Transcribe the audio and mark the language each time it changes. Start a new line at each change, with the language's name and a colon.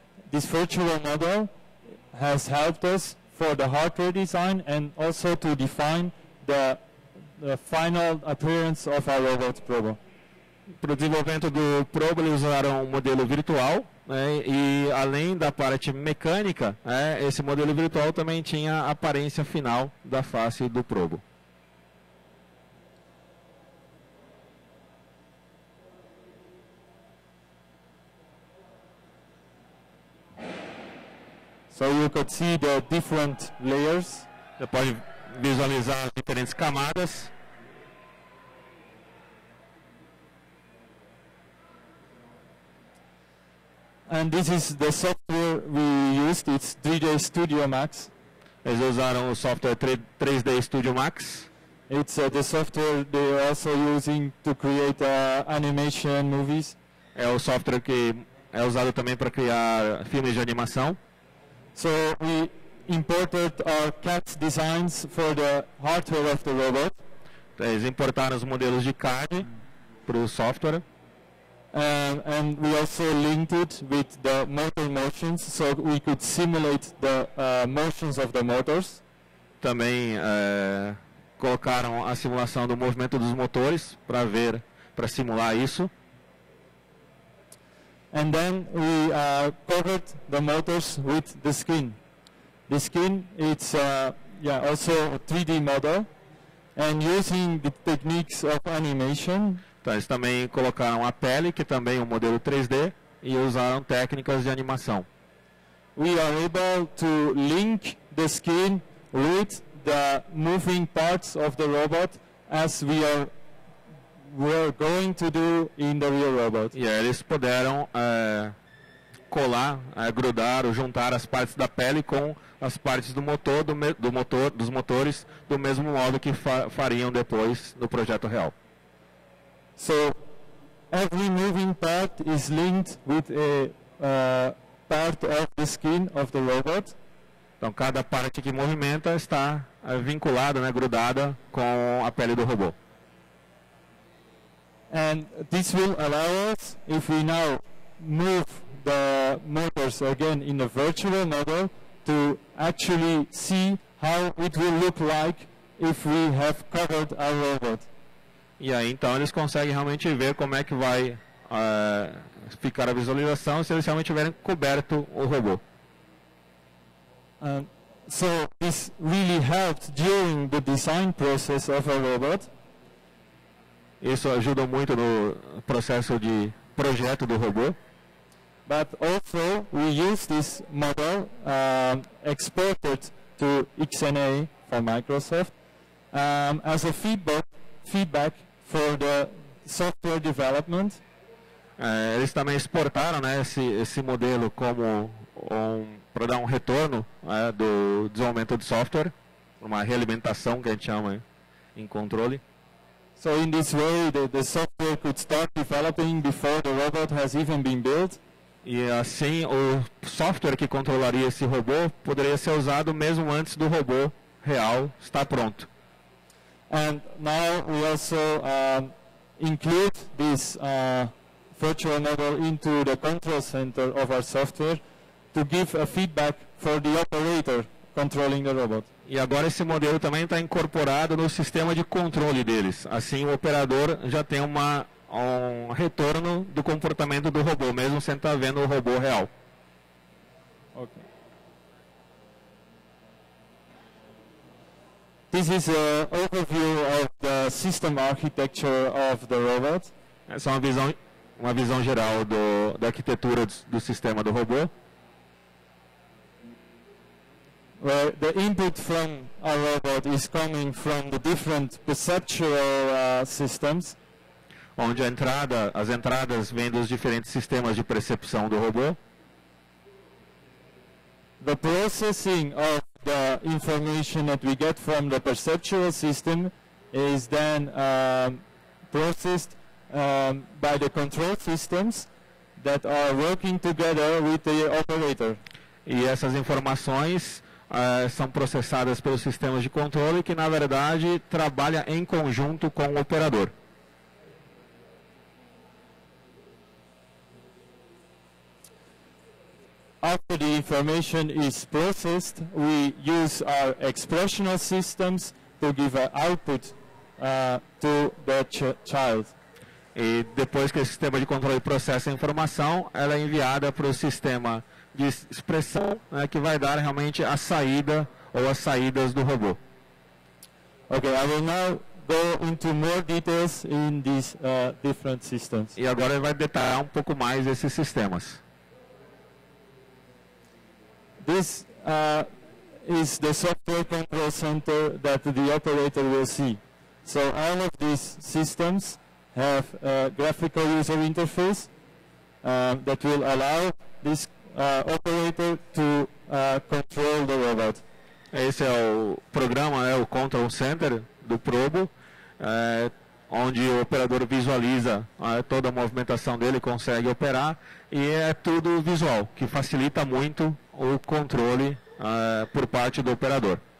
English: This virtual model has helped us for the hardware design and also to define the final appearance of our robot Probo.
Portuguese: Para o desenvolvimento do Probo, eles usaram um modelo virtual, né, e além da parte mecânica, né, esse modelo virtual também tinha a aparência final da face do Probo.
English: So you could see the different layers.
Portuguese: Você pode visualizar as diferentes camadas.
English: And this is the software we used, it's 3D Studio Max.
Portuguese: Eles usaram o software 3D Studio Max.
English: It's the software they are also using to create animation movies.
Portuguese: É o software que é usado também para criar filmes de animação.
English: So we imported our CAD designs for the hardware of the robot.
Portuguese: Eles importaram os modelos de CAD para o software.
English: And we also linked it with the motor motions, so we could simulate the motions of the motors.
Portuguese: Também colocaram a simulação do movimento dos motores para ver, para simular isso.
English: And then we covered the motors with the skin. The skin, it's also a 3D model, and using the techniques of animation.
Portuguese: Então, eles também colocaram a pele, que também é um modelo 3D, e usaram técnicas de animação.
English: We are able to link the skin with the moving parts of the robot as we are going to do in the real robot.
Portuguese: E aí eles puderam colar, grudar ou juntar as partes da pele com as partes do motor, dos motores, do mesmo modo que fariam depois no projeto real.
English: So every moving part is linked with a part of the skin of the robot.
Portuguese: Então cada parte que movimenta está vinculada, né, grudada com a pele do robô.
English: And this will allow us, if we now move the motors again in a virtual model, to actually see how it will look like if we have covered our robot.
Portuguese: E aí, então, eles conseguem realmente ver como é que vai ficar a visualização se eles realmente tiverem coberto o robô.
English: So, this really helped during the design process of a robot.
Portuguese: Isso ajuda muito no processo de projeto do robô.
English: But also, we use this model exported to XNA from Microsoft as a feedback for the software development.
Portuguese: Eles também exportaram, né, esse modelo como para dar um retorno do desenvolvimento do software, uma realimentação que a gente chama em controle.
English: So in this way the software could start developing before the robot has even been built.
Portuguese: E assim o software que controlaria esse robô poderia ser usado mesmo antes do robô real estar pronto.
English: And now we also include this virtual model into the control center of our software to give a feedback for the operator controlling the robot.
Portuguese: E agora esse modelo também está incorporado no sistema de controle deles. Assim o operador já tem um retorno do comportamento do robô, mesmo sem estar vendo o robô real.
English: Okay. This is an overview of the system architecture of the robot.
Portuguese: Essa é uma visão geral da arquitetura do sistema do robô.
English: where the input from our robot is coming from the different perceptual systems.
Portuguese: Onde a entrada, as entradas vêm dos diferentes sistemas de percepção do robô.
English: The processing of the information that we get from the perceptual system is then processed by the control systems that are working together with the operator.
Portuguese: E essas informações são processadas pelos sistemas de controle que, na verdade, trabalham em conjunto com o operador.
English: After the information is processed, we use our expressional systems to give an output to the child.
Portuguese: E depois que o sistema de controle processa a informação, ela é enviada para o sistema de expressão, né, que vai dar realmente a saída ou as saídas do robô.
English: Okay, I will now go into more details in these different systems.
Portuguese: E agora ele vai detalhar um pouco mais esses sistemas.
English: This is the software control center that the operator will see. So all of these systems have a graphical user interface that will allow this operator to control the robot.
Portuguese: Esse é o programa, é o control center do Probo, onde o operador visualiza toda a movimentação dele, consegue operar, e é tudo visual, que facilita muito o controle por parte do operador.